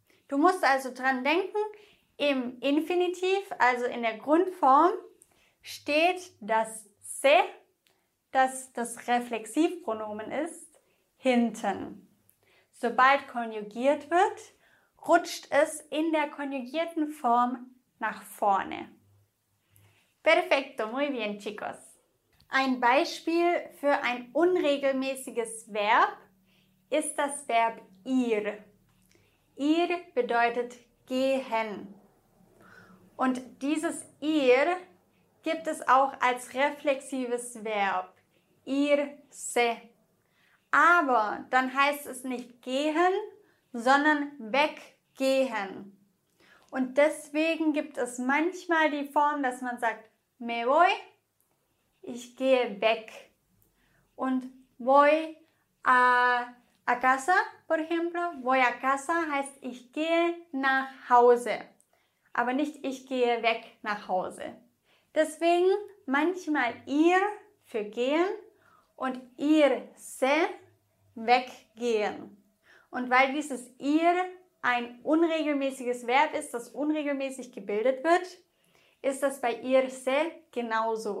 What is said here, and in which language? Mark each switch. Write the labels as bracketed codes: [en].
[de] Du musst also dran denken, im Infinitiv, also in der Grundform, steht das se, das das Reflexivpronomen ist, hinten. Sobald konjugiert wird, rutscht es in der konjugierten Form nach vorne. [es] Perfecto, muy bien, chicos. [de] Ein Beispiel für ein unregelmäßiges Verb ist das Verb ir. Ir bedeutet gehen. Und dieses ir gibt es auch als reflexives Verb. Irse. Aber dann heißt es nicht gehen, sondern weggehen. Und deswegen gibt es manchmal die Form, dass man sagt [es] me voy. [de] Ich gehe weg. [es] Und voy a casa, por ejemplo. Voy a casa [de] heißt, ich gehe nach Hause. Aber nicht, ich gehe weg nach Hause. Deswegen manchmal ir für gehen und irse weggehen. Und weil dieses ir ein unregelmäßiges Verb ist, das unregelmäßig gebildet wird, ist das bei irse genauso.